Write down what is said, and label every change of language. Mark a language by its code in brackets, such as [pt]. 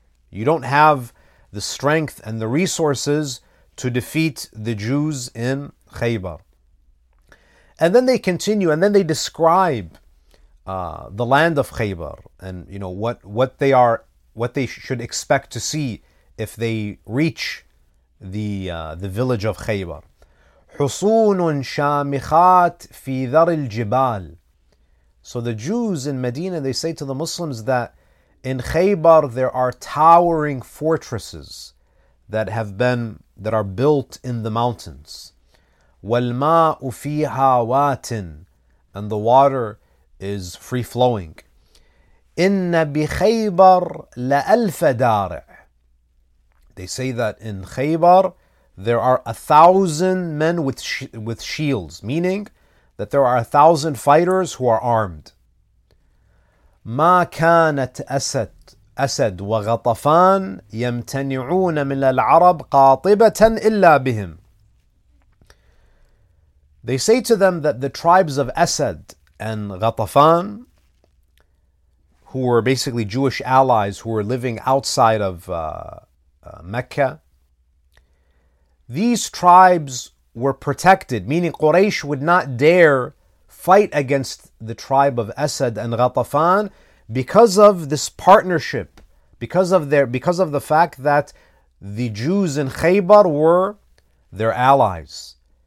[en] You don't have the strength and the resources to defeat the Jews in Khaybar. And then they continue, and then they describe the land of Khaybar, and, you know, what they should expect to see if they reach the village of Khaybar. [ar] حصون شامخات في ذر الجبال. [en] So the Jews in Medina, they say to the Muslims that in Khaybar there are towering fortresses that are built in the mountains. [ar] والماء فيها واتن, [en] and the water is free flowing. [ar] إن بخيبر لألف دارع. [en] They say that in Khaybar there are 1,000 men with shields, meaning that there are 1,000 fighters who are armed. [ar] ما كانت أسد وغطفان يمتنعون من العرب قاطبة إلا بهم. [en] They say to them that the tribes of Asad and Ghatafan, who were basically Jewish allies who were living outside of Mecca. These tribes were protected, meaning Quraysh would not dare fight against the tribe of Asad and Ghatafan because of this partnership, because of the fact that the Jews in Khaybar were their allies.